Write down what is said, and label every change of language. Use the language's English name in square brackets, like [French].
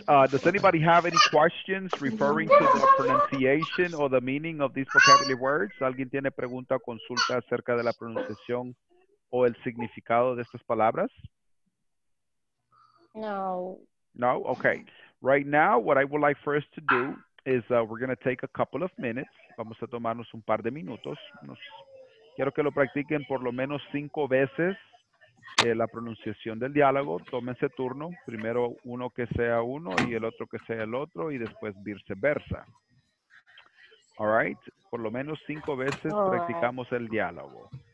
[English] Does anybody have any questions referring to the pronunciation or the meaning of these vocabulary words? [Spanish] ¿Alguien tiene pregunta o consulta acerca de la pronunciación o el significado de estas palabras? No. [English] No? Okay. Right now, what I would like for us to do is we're going to take a couple of minutes. [Spanish] Vamos a tomarnos un par de minutos. Quiero que lo practiquen por lo menos 5 veces. La pronunciación del diálogo, tómense turno, primero uno que sea uno y el otro que sea el otro y después viceversa. [English] All right, [Spanish] por lo menos 5 veces practicamos el diálogo.